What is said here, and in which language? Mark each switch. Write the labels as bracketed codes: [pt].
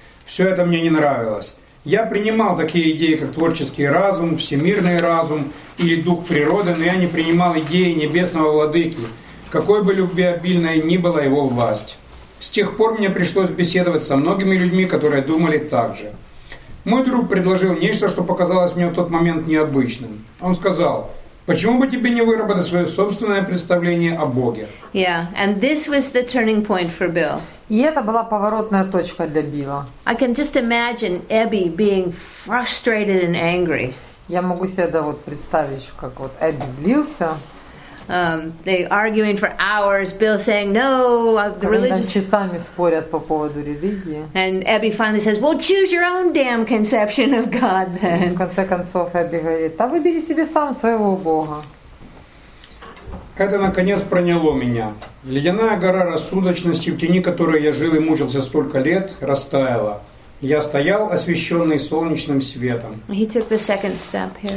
[ru] Все это мне не нравилось. Я принимал такие идеи, как творческий разум, всемирный разум или дух природы, но я не принимал идеи небесного владыки, какой бы любвеобильной ни была его власть. С тех пор мне пришлось беседовать со многими людьми, которые думали так же. Мой друг предложил нечто, что показалось мне в тот момент необычным. Он сказал: «Почему бы тебе не выработать свое собственное представление о Боге?» [en] Yeah, and this was the turning point for Bill. [ru] И это была поворотная точка для Билла. [en] I can just imagine Abby being frustrated and angry. [ru] Я могу себе да вот представить, как вот Эбби злился. [en] They arguing for hours. Bill saying, "No, the religion." [ru] Они часами спорят по поводу религии. [en] And Abby finally says, "Well, choose your own damn conception of God, then." [ru] В конце концов Эбби говорит: "Да выбери себе сам своего Бога." Это наконец проняло меня. Ледяная гора рассудочности, в тени которой я жил и мучился столько лет, растаяла. Я стоял, освещенный солнечным светом. [en] He took the second step here.